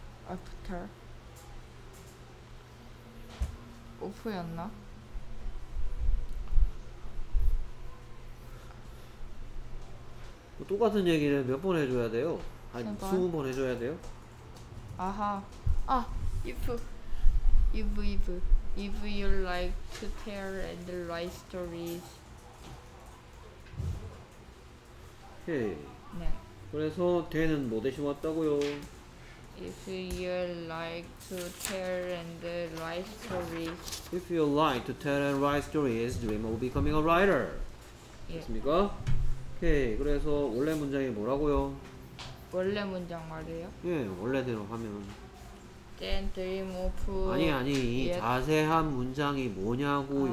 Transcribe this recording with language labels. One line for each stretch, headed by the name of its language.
English: After.
Korean: 오프였나? 똑같은 얘기를 몇 번 해줘야 돼요? 한 20번 해줘야 돼요? 아하.
English: 아, if if you like to tell and write stories.
Korean: 오케이. 네. 그래서 대는 뭐 대신 왔다고요?
English: If you like to tell and write stories. If you like to tell and write stories, dream of becoming a writer.
Korean: 됐습니까? 오케이. 그래서 원래 문장이 뭐라고요? 원래 문장 말이에요? 예, 원래대로 하면.
English: Then dream of.
Korean: 아니 아니, yet. 자세한 문장이 뭐냐고요.